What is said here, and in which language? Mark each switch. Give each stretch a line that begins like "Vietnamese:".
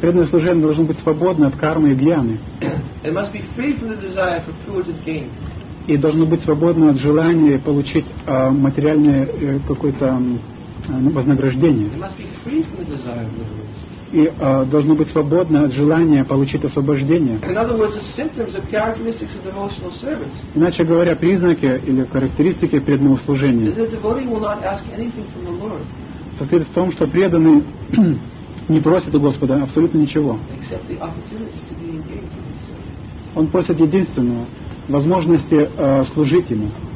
Russian: Преданное служение должно быть свободно от кармы и гьяны.
English: It must be free from the desire for food and gain.
Russian: И должно быть свободно от желания получить материальное какое-то вознаграждение.
English: It must be free from the desire for food.
Russian: И должно быть свободно от желания получить освобождение.
English: In other words, the symptoms of characteristics of devotional service.
Russian: Иначе говоря, признаки или характеристики преданного служения.
English: The devotee will not ask anything from the Lord.
Russian: Состоит в том, что преданный не просит у Господа абсолютно ничего.
English: Except the opportunity to be engaged in his service.
Russian: Он просит единственного возможности служить ему.